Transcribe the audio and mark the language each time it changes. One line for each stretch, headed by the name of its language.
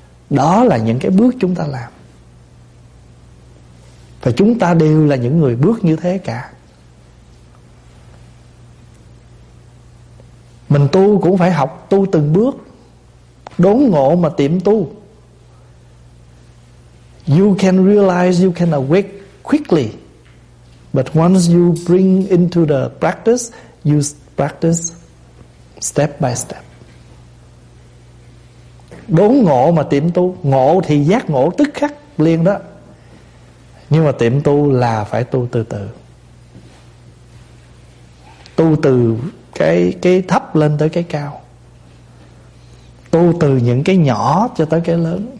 Vietnamese: Đó là những cái bước chúng ta làm. Và chúng ta đều là những người bước như thế cả. Mình tu cũng phải học tu từng bước. Đốn ngộ mà tiệm tu.
English: You can realize you can awake quickly. But once you bring into the practice, you practice step by step.
Vietnamese: đốn ngộ mà tiệm tu. Ngộ thì giác ngộ tức khắc liền đó, nhưng mà tiệm tu là phải tu từ từ, tu từ cái thấp lên tới cái cao, tu từ những cái nhỏ cho tới cái lớn.